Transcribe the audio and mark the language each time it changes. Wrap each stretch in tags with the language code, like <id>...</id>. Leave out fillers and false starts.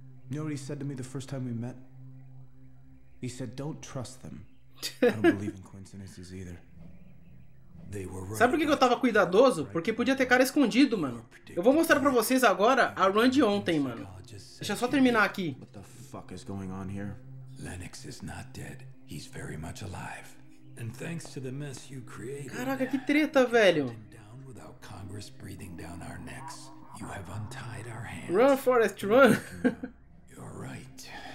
<en>You know what he said to me the first time we met? He said, don't trust them. I don't believe in coincidences either. They were right.</en> <pt>Sabe por que eu tava cuidadoso? Porque podia ter cara escondido, mano. Eu vou mostrar pra vocês agora a run de ontem, mano. Deixa eu só terminar aqui.</pt> <en>What the fuck is going on here? Lennox is not dead. He's very much alive. And thanks to the mess you created.</en> <pt>Caraca, que treta, velho.</pt> <en>Without Congress breathing down our necks, you have untied our hands. Run, Forrest, run. You're right.</en>